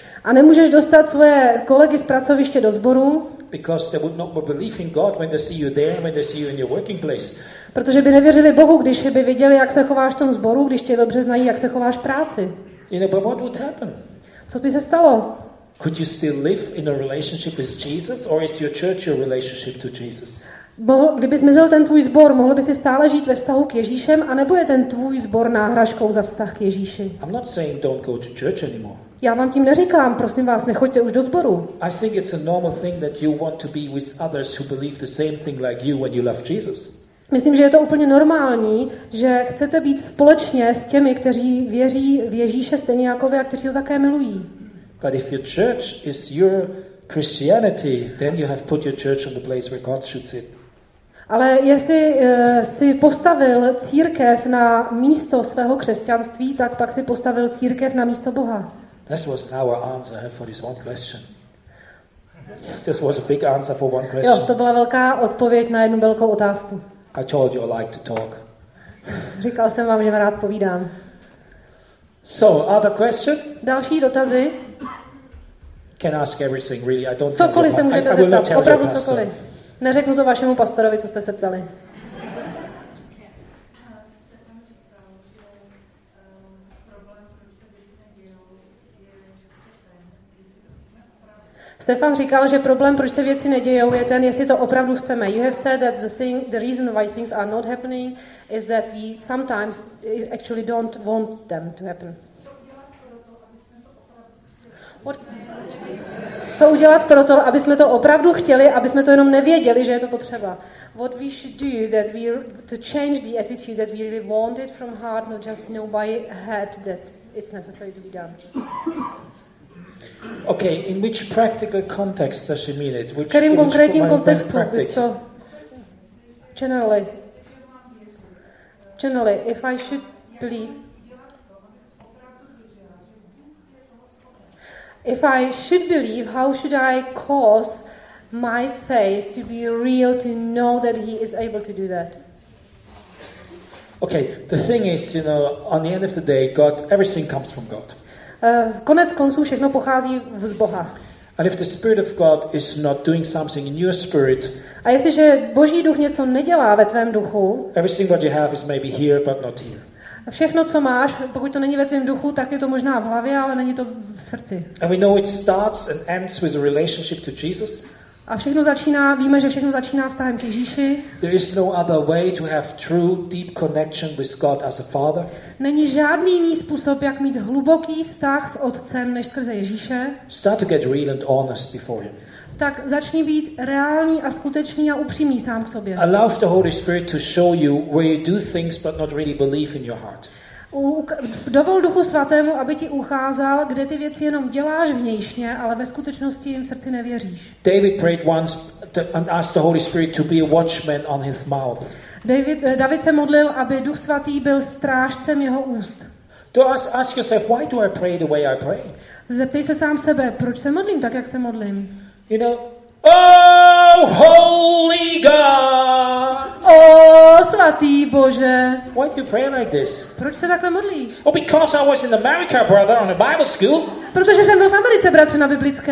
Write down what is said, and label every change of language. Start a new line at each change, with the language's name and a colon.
Czech: A nemůžeš dostat svoje kolegy z pracoviště do sboru.
English: Because they would not believe in God when they see you there, when they see you in your working place.
Czech: Protože by nevěřili Bohu, když by viděli, jak se chováš v tom sboru, když tě dobře znají, jak se chováš v práci.
English: You know, but what would happen?
Czech: Co by se stalo?
English: Could you still live in a relationship with Jesus, or is your church your relationship to Jesus?
Czech: Kdyby zmizel ten tvůj zbor, mohl by si stále žít ve vztahu k Ježíšem, a nebo je ten tvůj zbor náhražkou za vztah k Ježíši?
English: I'm not saying don't go to church anymore.
Czech: Já vám tím neříkám, prosím vás, nechoďte už do sboru.
English: I think it's a normal thing that you want to be with others who believe the same thing like you when you love Jesus.
Czech: Myslím, že je to úplně normální, že chcete být společně s těmi, kteří věří v Ježíše stejně jako vy, a kteří ho také milují.
English: But if your church is your Christianity, then you have put your church on the place where God should sit.
Czech: Ale jestli si postavil církev na místo svého křesťanství, tak pak si postavil církev na místo Boha.
English: This was our answer for this one question. This was a big answer for one question.
Czech: Jo, to byla velká odpověď na jednu velkou otázku.
English: I told you I like to talk.
Czech: Říkal jsem vám, že rád povídám.
English: So, other question?
Czech: Další dotazy?
English: Can ask everything really. I don't
Czech: cokoliv think. Se můžete zeptat. Opravdu cokoliv. Neřeknu to vašemu pastorovi, co jste se ptali. Stefan říkal, že problém, proč se věci nedějou, je ten, jestli to opravdu chceme.
English: You have said that the reason why things are not happening is that we sometimes actually don't want them to happen.
Czech: Co udělat pro to, aby jsme to opravdu chtěli, aby jsme to jenom nevěděli, že je to potřeba?
English: What we should do that we to change the attitude that we really want it from heart, not just know by head that it's necessary to be done. Okay, in which practical context does she mean it?
Czech: V kterém konkrétním kontextu? Generally.
English: Generally, if I should believe, if I should believe, how should I cause my faith to be real, to know that he is able to do that? Okay, the thing is, you know, on the end of the day, God, everything comes from God.
Czech: Konec konců všechno pochází z Boha.
English: And if the Spirit of God is not doing something in your spirit,
Czech: a jestliže Boží duch něco nedělá ve tvém duchu,
English: everything what you have is maybe here, but not here.
Czech: Všechno, co máš, pokud to není ve tvém duchu, tak je to možná v hlavě, ale není to v srdci.
English: And we know it starts and ends with a relationship to Jesus.
Czech: A všechno začíná, víme, že všechno začíná vztahem k Ježíši.
English: There is no other way to have true deep connection with God as a father.
Czech: Není žádný jiný způsob, jak mít hluboký vztah s Otcem, než skrze Ježíše.
English: Start to get real and honest before him.
Czech: Tak začni být reálný a skutečný a upřímný sám k sobě.
English: Allow the Holy Spirit to show you where you do things but not really believe in your heart.
Czech: Dovol Duchu Svatému, aby ti ukázal, kde ty věci jenom děláš vnějšně, ale ve skutečnosti jim v srdci nevěříš.
English: David prayed once and asked the Holy Spirit to be a watchman on his mouth.
Czech: David se modlil, aby Duch Svatý byl strážcem jeho úst.
English: Ask yourself, why do I pray the way I pray?
Czech: Zeptej se sám sebe, proč se modlím tak, jak se modlím?
English: You know, oh, holy God!
Czech: Oh, svatý Bože!
English: Why do you pray like this?
Czech: Proč se takhle modlíš?
English: Oh, because I was in America, brother, on a Bible school.
Czech: Protože jsem byl v Americe, bratře, na biblické.